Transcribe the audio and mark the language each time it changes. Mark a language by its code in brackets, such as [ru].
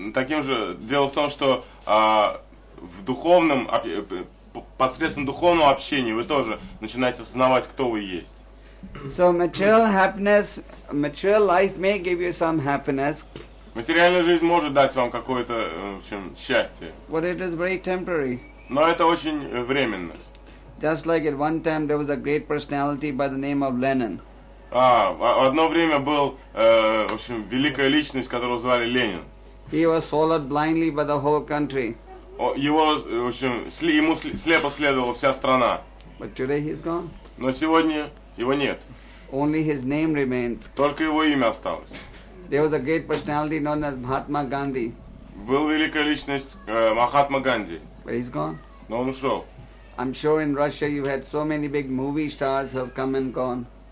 [ru] Таким же дело в том, что в духовном посредством духовного общения вы тоже начинаете осознавать, кто вы есть. [en] So material happiness, material life may give you some happiness. [ru] Материальная жизнь может дать вам какое-то, в общем, счастье. [en] But it is very temporary. [ru] Но это очень временно. [en] Just like at one time there was a great personality by the name of Lenin. [ru] А, одно время был, в общем, великая личность, которую звали Ленин. [en] He was followed blindly by the whole country. [ru] Его, в общем, ему слепо следовала вся страна. [en] But today he's gone. [ru] Но сегодня его нет. [en] Only his name remains. [ru] Только его имя осталось. [en] There was a great personality known as Mahatma Gandhi. [ru] Был великая личность Махатма Ганди. [en] But he's gone. [ru] Но он ушел. [en] I'm sure in Russia you've had so many big movie stars have come and gone.